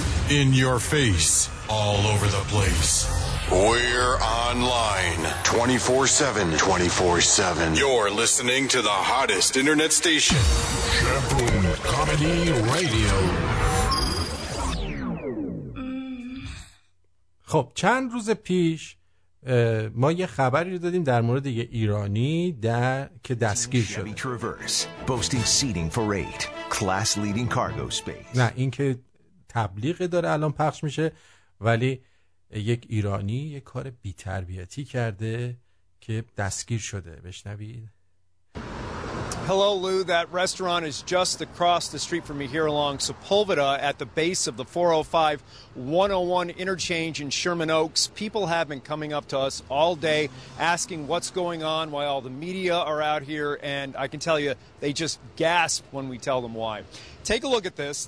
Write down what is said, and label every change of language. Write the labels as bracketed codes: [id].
[en] In your face all over the place we're online 24/7 24/7 you're listening to the hottest internet station Chevron Comedy Radio [fa] خب چند روز پیش ما یه خبری رو دادیم در مورد یه ایرانی در که دستگیر شده. [en] Traverse, boasting seating for eight, class leading cargo space. [fa] نه این که تبلیغ داره الان پخش میشه ولی یک ایرانی یه کار بی‌تربیتی کرده که دستگیر شده. بشنوید. [en] Hello Lou, that restaurant is just across the street from me here along Sepulveda at the base of the 405-101 interchange in Sherman Oaks. People have been coming up to us all day asking what's going on, why all the media are out here, and I can tell you, they just gasp when we tell them why. Take a look at this.